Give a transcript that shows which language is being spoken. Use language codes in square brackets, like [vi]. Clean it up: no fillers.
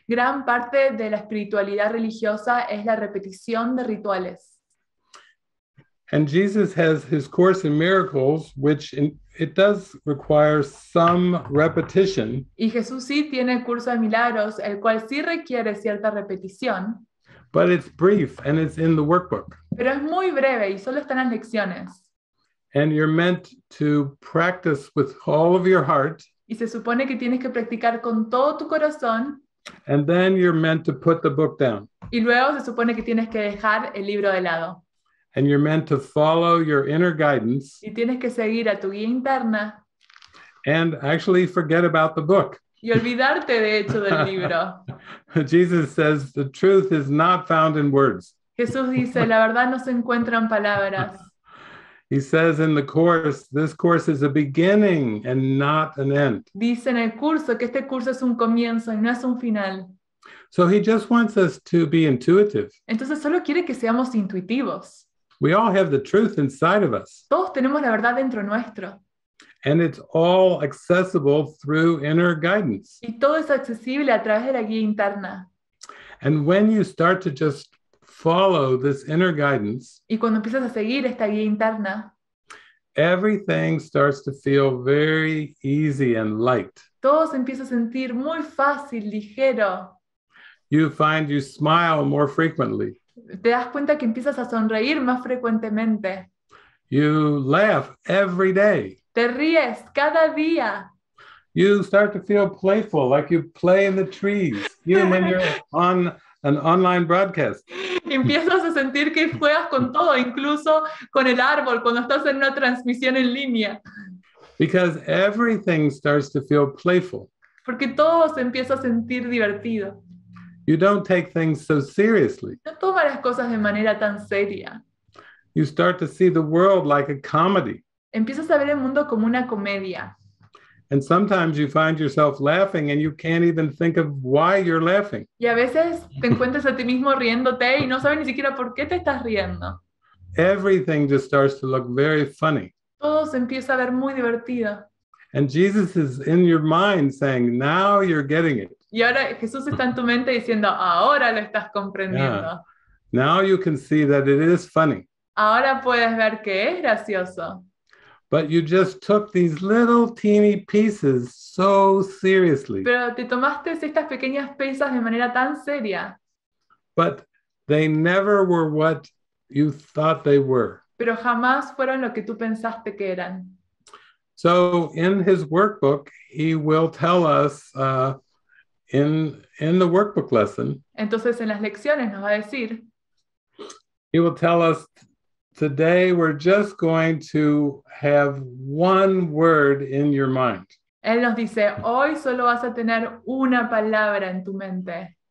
[es] Gran parte de la espiritualidad religiosa es la repetición de rituales. [en] And Jesus has his Course in Miracles, which it does require some repetition. [es] Y Jesús sí tiene el curso de milagros, el cual sí requiere cierta repetición. [en] But it's brief and it's in the workbook. [es] Pero es muy breve y solo están las lecciones. [en] And you're meant to practice with all of your heart. [es] Y se supone que tienes que practicar con todo tu corazón. [en] And then you're meant to put the book down. [es] Y luego se supone que tienes que dejar el libro de lado. [en] And you're meant to follow your inner guidance. [es] Y tienes que seguir a tu guía interna. [en] And actually forget about the book. [es] Y olvidarte de hecho del libro. [en] Jesus says the truth is not found in words. [es] Jesús dice, la verdad no se encuentra en palabras. [en] He says in the course, this course is a beginning and not an end. [es] Dice en el curso que este curso es un comienzo y no es un final. [en] So he just wants us to be intuitive. [es] Entonces solo quiere que seamos intuitivos. [en] We all have the truth inside of us. [es] Todos tenemos la verdad dentro nuestro. [en] And it's all accessible through inner guidance. [es] Y todo es accesible a través de la guía interna. [en] And when you start to just follow this inner guidance. [es] Y cuando empiezas a seguir esta guía interna, [en] everything starts to feel very easy and light. [es] Todo se empieza a sentir muy fácil, ligero. [en] You find you smile more frequently. [es] Te das cuenta que empiezas a sonreír más frecuentemente. [en] You laugh every day. [es] Te ríes cada día. [en] You start to feel playful, like you play in the trees, even when you're on an online broadcast. [es] Empiezas a sentir que juegas con todo, incluso con el árbol, cuando estás en una transmisión en línea. [en] Because everything starts to feel playful. [es] Porque todo se empieza a sentir divertido. [en] You don't take things so seriously. [es] No tomas las cosas de manera tan seria. [en] You start to see the world like a comedy. [es] Empiezas a ver el mundo como una comedia. [en] And sometimes you find yourself laughing and you can't even think of why you're laughing. [es] Y a veces te encuentras a ti mismo riéndote y no sabes ni siquiera por qué te estás riendo. [en] Everything just starts to look very funny. [es] Todo se empieza a ver muy divertido. [en] And Jesus is in your mind saying, now you're getting it. [es] Y ahora Jesús está en tu mente diciendo, ahora lo estás comprendiendo. [en] Yeah. Now you can see that it is funny. [es] Ahora puedes ver que es gracioso. [en] But you just took these little teeny pieces so seriously. [es] Pero te tomaste estas pequeñas piezas de manera tan seria. [en] But they never were what you thought they were. [es] Pero jamás fueron lo que tú pensaste que eran. [en] So in his workbook, he will tell us in the workbook lesson. [es] Entonces en las lecciones nos va a decir. [en] He will tell us. Today we're just going to have one word in your mind. [es] Él nos dice, hoy solo vas a tener una palabra en tu mente.